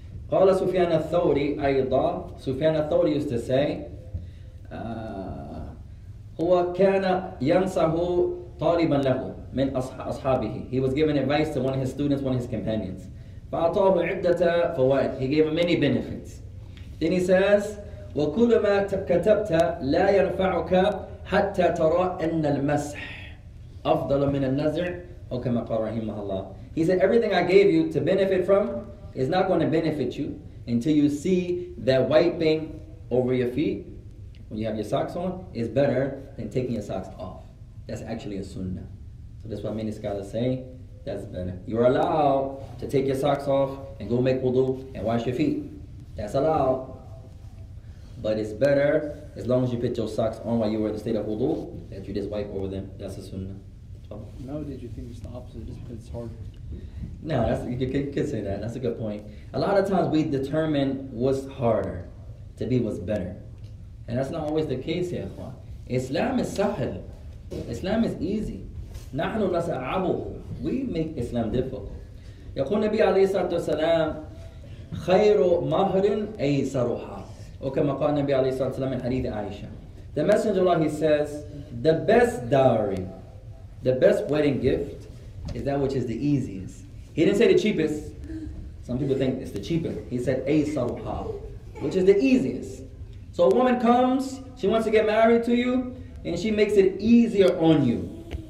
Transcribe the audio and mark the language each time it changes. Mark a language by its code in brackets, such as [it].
[ar] Qala Sufyan al-Thawri ayda. [en] Sufyan al-Thawri used to say, [ar] huwa kana yansahu taliban lahu min ashabihi. [en] He was giving advice to one of his students, one of his companions. [ar] فَعَطَاهُ عِدَّةَ فَوَائِدْ. [en] He gave him many benefits. Then he says, [ar] وَكُلُّ مَا كَتَبْتَ لَا يَنْفَعُكَ حَتَّى تَرَى أَنَّ الْمَسْحِ أَفْضَلُ مِنَ النَّزْعِ وَكَمَا قَالَ رَحِيمَهَ اللَّهُ. [en] He said, everything I gave you to benefit from is not going to benefit you until you see that wiping over your feet when you have your socks on is better than taking your socks off. That's actually a sunnah. So that's what many scholars say. That's better. You're allowed to take your socks off and go make wudu and wash your feet. That's allowed. But it's better as long as you put your socks on while you were in the state of wudu that you just wipe over them. That's a sunnah. Nowadays you think it's the opposite just because it's hard. No, that's, you could say that. That's a good point. A lot of times we determine what's harder to be what's better. And that's not always the case, ya akhwan. Islam is sahil. Islam is easy. [ar] نحن نصعبه. [en] We make Islam difficult. [ar] يقول النبي عليه الصلاة والسلام خير مهر أيسرها. وكما قال النبي عليه الصلاة والسلام من حديث عائشة. [en] The Messenger of Allah, he says, the best dowry, the best wedding gift, is that which is the easiest. He didn't say the cheapest. Some people think it's the cheapest. He said [ar] أيسرها, [en] which is the easiest. So a woman comes, she wants to get married to you, and she makes it easier on you.